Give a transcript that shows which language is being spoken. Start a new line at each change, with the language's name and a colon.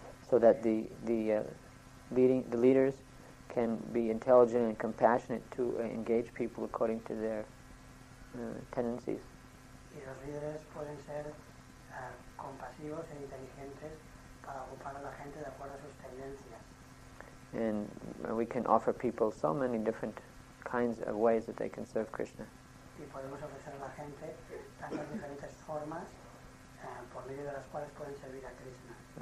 English: So that the leaders can be intelligent and compassionate to engage people according to their tendencies.
Spanish: Y los líderes pueden ser compasivos e inteligentes para ocupar a la gente de acuerdo a sus tendencias.
English: And we can offer people so many different kinds of ways that they can serve Krishna.
Spanish: Y podemos ofrecer a la gente tantas diferentes formas por medio de las cuales pueden servir a Krishna.